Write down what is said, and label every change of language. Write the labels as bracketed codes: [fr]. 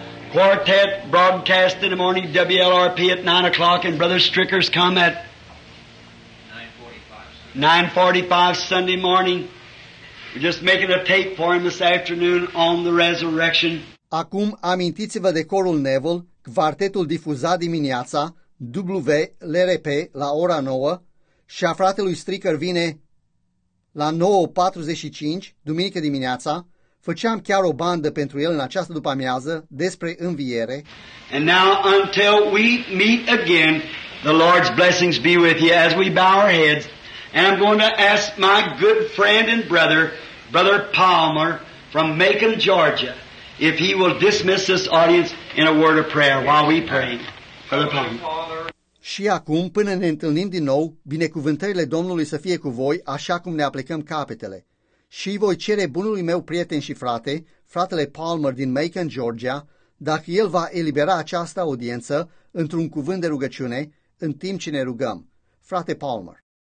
[en] Quartet broadcast in the morning, WLRP at 9 o'clock, and Brother Stricker's come at 9:45 Sunday morning. We're just making a tape for him this afternoon on the resurrection. [ro] Acum amintiți-vă de corul Neville, Quartetul difuza dimineața WLRP la ora 9 și a fratelui Stricker vine la 9:45, duminică dimineața. Făceam chiar o bandă pentru el în această după-amiază despre înviere. [en] And now until we meet again, the Lord's blessings be with you as we bow our heads. And I'm going to ask my good friend and brother, Brother Palmer from Macon, Georgia, if he will dismiss this audience in a word of prayer while we pray. Brother Palmer. [ro] Și acum, până ne întâlnim din nou, binecuvântările Domnului să fie cu voi, așa cum ne aplecăm capetele. Și voi cere bunului meu prieten și frate, fratele Palmer din Macon, Georgia, dacă el va elibera această audiență într-un cuvânt de rugăciune în timp ce ne rugăm. Frate Palmer.